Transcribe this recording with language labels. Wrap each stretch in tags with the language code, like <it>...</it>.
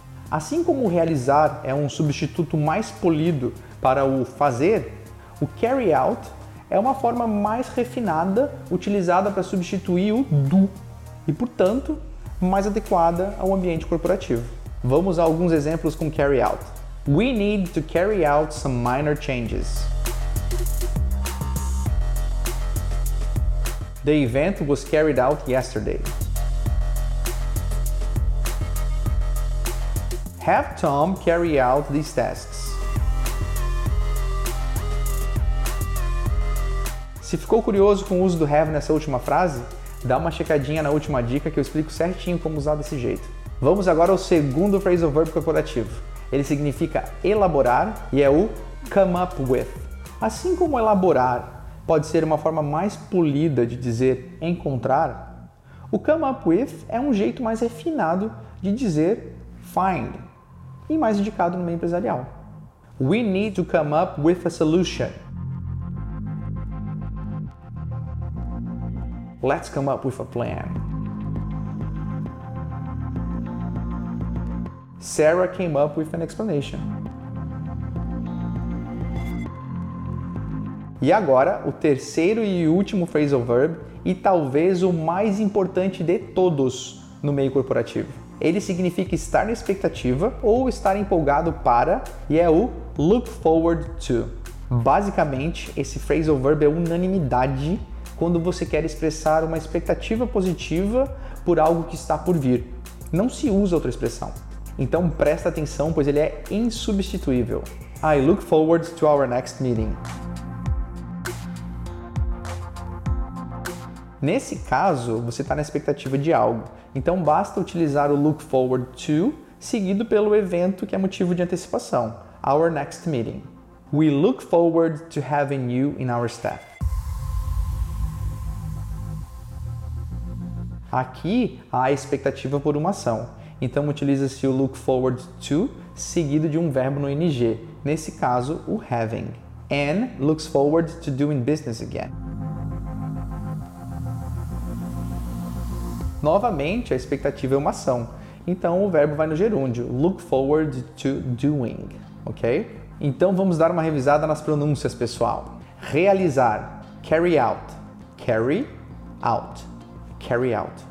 <pt>Assim como realizar é um substituto mais polido para o fazer, o carry out é uma forma mais refinada utilizada para substituir o do e, portanto, mais adequada ao ambiente corporativo. Vamos a alguns exemplos com carry out.</pt> <en>We need to carry out some minor changes. The event was carried out yesterday. Have Tom carry out these tasks.</en> <pt>Se ficou curioso com o uso do have nessa última frase, dá uma checadinha na última dica que eu explico certinho como usar desse jeito. Vamos agora ao segundo phrasal verb corporativo. Ele significa elaborar e é o come up with. Assim como elaborar pode ser uma forma mais polida de dizer encontrar, o come up with é um jeito mais refinado de dizer find e mais indicado no meio empresarial.</pt> <en>We need to come up with a solution. Let's come up with a plan. Sarah came up with an explanation.</en> <pt>E agora, o terceiro e último phrasal verb, e talvez o mais importante de todos no meio corporativo. Ele significa estar na expectativa ou estar empolgado para, e é o look forward to. Basicamente, esse phrasal verb é unanimidade quando você quer expressar uma expectativa positiva por algo que está por vir. Não se usa outra expressão. Então presta atenção, pois ele é insubstituível.</pt> <en>I look forward to our next meeting.</en> <pt>Nesse caso, você está na expectativa de algo. Então basta utilizar o look forward to seguido pelo evento que é motivo de antecipação.</pt> <en>Our next meeting. We look forward to having you in our staff.</en> <pt>Aqui há a expectativa por uma ação. Então utiliza-se o look forward to seguido de um verbo no ing. Nesse caso, o having.</pt> <en>Anne looks forward to doing business again.</en> <pt>Novamente, a expectativa é uma ação. Então o verbo vai no gerúndio.</pt> <en>Look forward to doing.</en> <pt>Ok? Então vamos dar uma revisada nas pronúncias, pessoal. Realizar.</pt> <en>Carry out. Carry out. Carry out.</en>